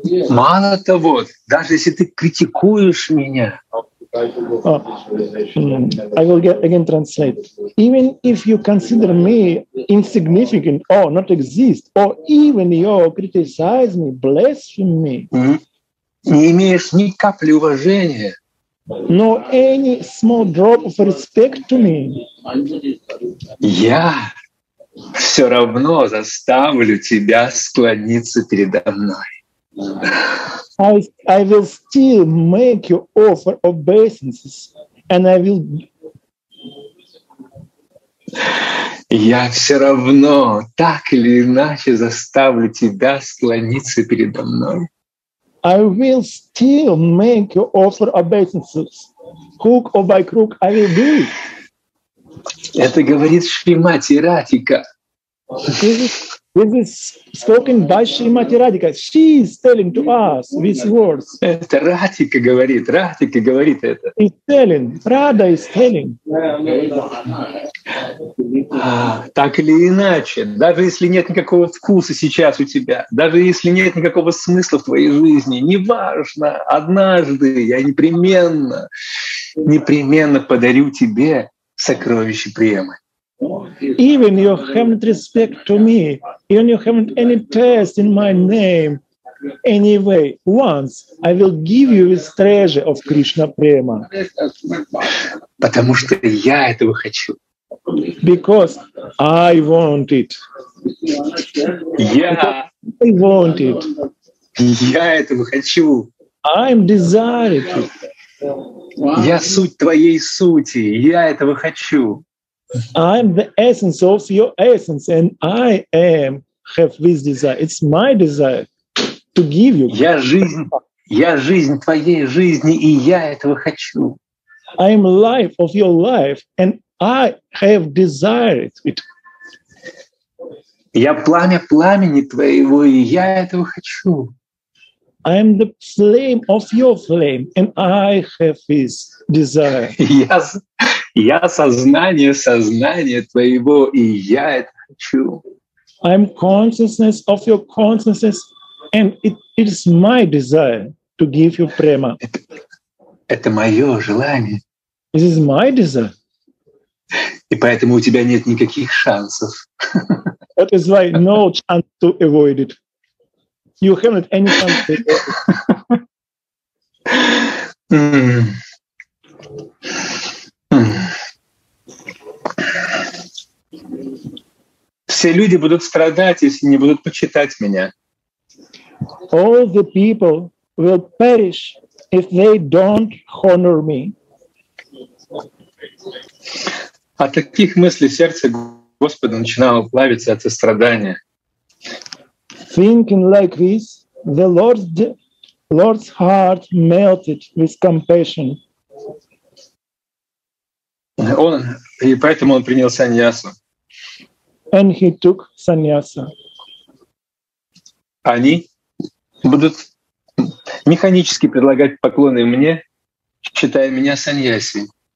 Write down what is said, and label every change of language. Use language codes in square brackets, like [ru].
[ru] Мало того, даже если ты критикуешь меня, [en] I will get again translate. Even if you consider me insignificant or not exist, or even you criticize me, blaspheme me, [ru] не имеешь ни капли уважения, [en] no any small drop of respect to me, [ru] я все равно заставлю тебя склониться передо мной. [en] I will still make you offer obeisances, and I will. [ru] Я все равно так или иначе заставлю тебя склониться передо мной. [en] I will still make you offer obeisances, hook or by crook, I will do. [ru] Это говорит Шримати Радхика. [en] This is spoken by Shrimati Radhika. She is telling to us these words. [ru] Это Радхика говорит. Радхика говорит это. [en] Is telling. Radha is telling. [ru] Так или иначе, даже если нет никакого вкуса сейчас у тебя, даже если нет никакого смысла в твоей жизни, неважно, однажды я непременно подарю тебе сокровище приема. [en] Even you haven't respect to me, even you haven't any taste in my name, anyway, once I will give you this treasure of Krishna Prema. [ru] Потому что я этого хочу. [en] Because I want it. Yeah. I want it. [ru] Я этого хочу. [en] I'm desired. [ru] Я суть твоей сути. Я этого хочу. [en] I'm the essence of your essence, and I am have this desire. It's my desire to give you. [ru] Я жизнь твоей жизни, и я этого хочу. [en] I am life of your life, and I have desired it. [ru] Я пламя пламени твоего, и я этого хочу. [en] I am the flame of your flame, and I have this desire. [ru] Я сознание сознания твоего, и я это хочу. [en] I am consciousness of your consciousness, and it is my desire to give you prema. [ru] Это мое желание. [en] This is my desire. [ru] И поэтому у тебя нет никаких шансов. [en] That is why no chance to avoid it. You haven't any chance to avoid it. [ru] Все люди будут страдать, если не будут почитать меня. [en] All the people will perish if they don't honor me. [ru] От таких мыслей сердце Господа начинало плавиться от сострадания. [en] Thinking like this, the Lord's heart melted with compassion. [ru] И поэтому он принял саньясу. [en] And he took саньяса. [ru] Они будут механически предлагать поклоны мне, считая меня саньяси.